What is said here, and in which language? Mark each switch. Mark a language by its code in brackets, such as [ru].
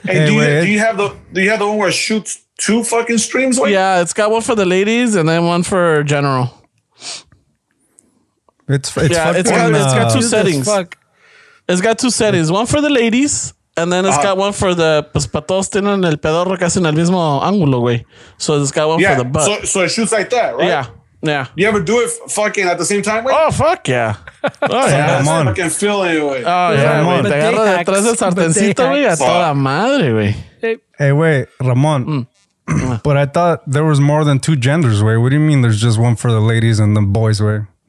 [en] Hey, do you have the one where it shoots two fucking streams? Like? Yeah, it's got one for the ladies and then one for general. It's got two settings. It's got two settings. One for the ladies, and then it's got one for the. [es] Pues para todos tienen el pedorro casi en el mismo ángulo, güey. [en] So it's got one for the butt. So it shoots like that, right? Yeah. Yeah. You ever do it fucking at the same time, wait? Oh, fuck yeah. Oh, yeah. Come on. I can feel it, güey. Oh, yeah. [es] Ramon. Te agarro detrás del sartencito, güey, a toda madre, güey. [en] Hey, güey, Ramon. But I thought there was more than two genders, güey. What do you mean there's just one for the ladies and the boys, güey?